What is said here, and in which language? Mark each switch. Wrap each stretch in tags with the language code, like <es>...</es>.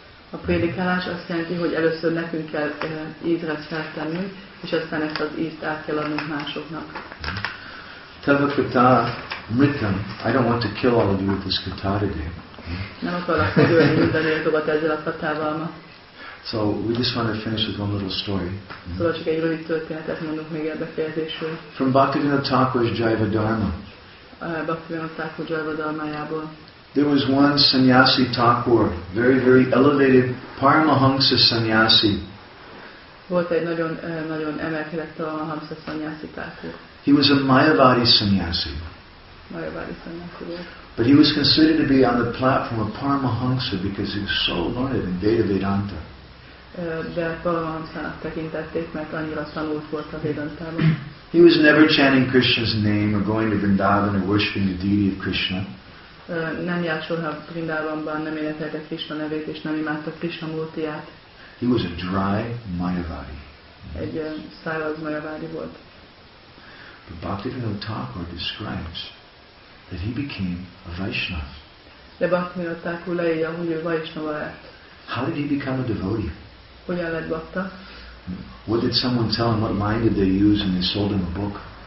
<hu>A prédikálás azt jelenti, hogy először nekünk kell ízre szertennünk, és aztán ezt az ízt át kell adnunk másoknak.</hu> <sa>Tavakata mritam.</sa> <en>I don't want to kill all of you with this kata today.</en> <hu>Nem akarok megölni mindenkit ezzel a katával ma.</hu> <en>So we just want to finish with one little story.</en> <hu>Szóval csak egy rövid történetet mondok még ebbe fejezésül.</hu> <en>From Bhaktivinoda Thakur's Jaivadharma. There was one sannyasi Thakur, very very elevated Paramahamsa sannyasi.</en> <hu>Volt egy nagyon nagyon emelkedett Paramahamsa sannyasi Thakur.</hu> <en>He was a Mayavadi sannyasi.</en> <hu>Mayavadi sannyasi volt.</hu> <en>But he was considered to be on the platform of Paramahamsa because he was so learned in Veda Vedanta.</en> <hu>De Paramahamsának tekintették, mert annyira tanult volt a Vedantában.</hu> <en>He was never chanting Krishna's name or going to Vrindavan or worshiping the deity of Krishna.</en> <hu>Nem járt soha Vrindavanban, nem énekelte Krishna nevét és nem imádta Krishna múrtiját.</hu> <en>He was a dry Mayavadi.</en> <hu>Egy száraz Mayavadi volt.</hu> <en>But Bhaktivinoda Thakur describes that he became a Vaishnava.</en> <hu>De Bhaktivinoda Thakur leírja, hogy ő Vaishnava lett.</hu> <en>How did he become a devotee?</en> <hu>Hogyan lett bhakta?</hu> <en>What did someone tell him? What mind did they use when they sold him a book?</en>